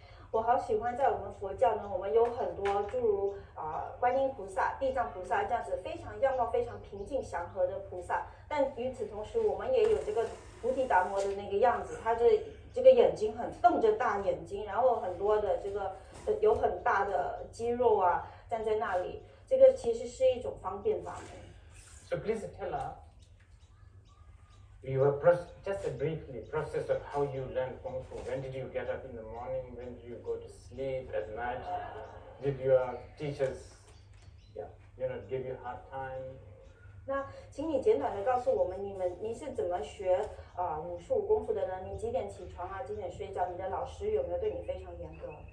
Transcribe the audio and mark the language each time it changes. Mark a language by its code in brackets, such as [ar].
[zh] 我好喜欢在我们佛教呢，我们有很多诸如观音菩萨、地藏菩萨这样子非常样貌非常平静祥和的菩萨。但与此同时，我们也有这个菩提达摩的那个样子，他这个眼睛很瞪着大眼睛，然后很多的这个有很大的肌肉啊站在那里。这个其实是一种方便法门。 [en] So please tell us, you have just a briefly process of how you learn Kung Fu. When did you get up in the morning? When did you go to sleep at night? Did your teachers, you know, give you hard time? [zh] 那请你简短的告诉我们，你是怎么学武术功夫的呢？你几点起床啊？几点睡觉？你的老师有没有对你非常严格？